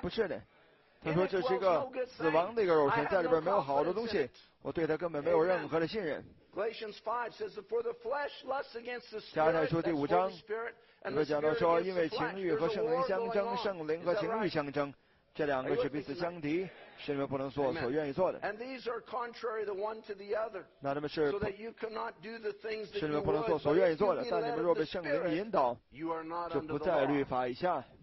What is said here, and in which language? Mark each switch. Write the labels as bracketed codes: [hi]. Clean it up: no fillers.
[zh] 不是的，他说这是一个死亡的一个肉身，在里边没有好的东西，我对他根本没有任何的信任。 [en] Galatians 5 says that for the flesh lusts against the spirit. [zh] 加太书第五章，里边讲到说，因为情欲和圣灵相争，圣灵和情欲相争，这两个是彼此相敌，心里面不能做所愿意做的。 [en] And these are contrary the one to the other. [zh] 那他们是。 [en] So that you cannot do the things that you [zh] 心里面不能做所愿意做的，但你们若被圣灵引导，就不在律法以下。